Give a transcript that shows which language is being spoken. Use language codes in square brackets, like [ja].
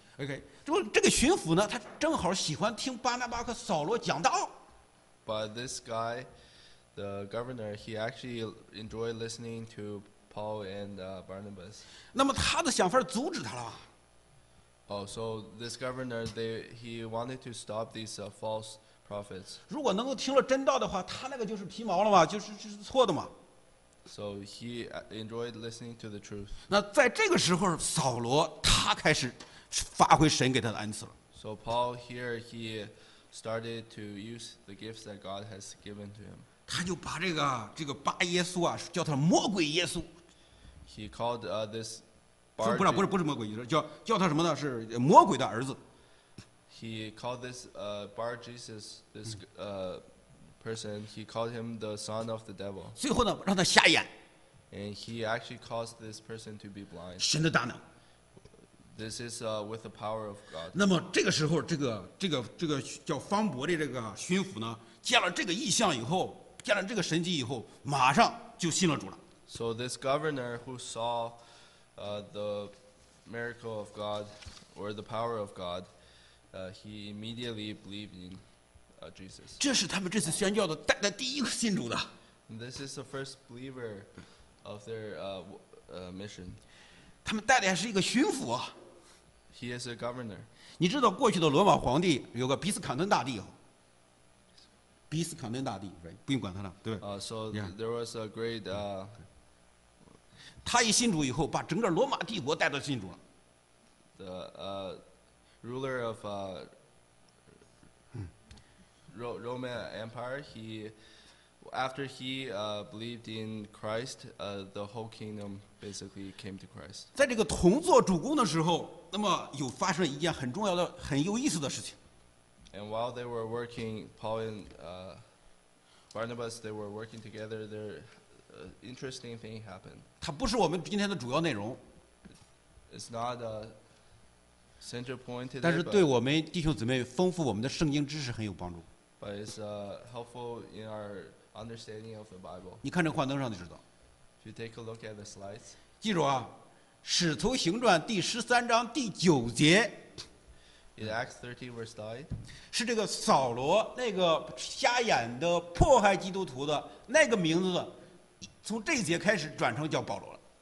[zh] Okay, 这不这个巡抚呢？他正好喜欢听巴拿巴和扫罗讲道。 [en] But this guy, the governor, he actually enjoyed listening to Paul and Barnabas. [zh] 那么他的想法阻止他了。 [en] Oh, so this governor, he wanted to stop these false. [zh] 如果能够听了真道的话，他那个就是皮毛了嘛，就是错的嘛。 [en] So he enjoyed listening to the truth. [zh] 那在这个时候，扫罗他开始发挥神给他的恩赐了。 [en] So Paul here he started to use the gifts that God has given to him. [zh] 他就把这个巴耶稣啊，叫他魔鬼耶稣。 [en] He called this. [zh] 不是魔鬼，叫他什么呢？是魔鬼的儿子。 [en] He called this Bar Jesus, this person, he called him the son of the devil. [zh] 最后呢，让他瞎眼。 [en] And he actually caused this person to be blind. [zh] 神的大能。 [en] This is with the power of God. [zh] 那么这个时候，这个叫方伯的这个巡抚呢，见了这个异象以后，见了这个神迹以后，马上就信了主了。 [en] So this governor who saw the miracle of God or the power of God, he immediately believed in Jesus. [zh] 这是他们这次宣教的带的第一个信主的。 [en] And this is the first believer of their mission. [zh] 他们带的还是一个巡抚。 [en] He is a governor. [zh] 你知道过去的罗马皇帝有个比斯康顿大帝，比斯康顿大帝，不用管他了，对。 [en] So there was a great. [zh] 他一信主以后，把整个罗马帝国带到信主了。 [en] The ruler of Roman Empire, he after he believed in Christ, the whole kingdom basically came to Christ. [zh] 在这个同做主公的时候。那么有发生一件很重要的很有意思的事情。 [en] And while they were working, Paul and Barnabas, they were working together, their interesting thing happened. [zh] 它不是我们今天的主要内容。 [en] It's not a center point today. [zh] 但是对我们弟兄姊妹丰富我们的圣经知识很有帮助。 [en] But it's helpful in our understanding of the Bible. [zh] 你看这幻灯上就知道。 [en] If you take a look at the slides. [zh] 记住啊。使徒行传第十三章第九节 [en] In Acts 13 verse 9 [zh] 是这个扫罗那个瞎眼的迫害基督徒的那个名字的从这一节开始转成叫保罗了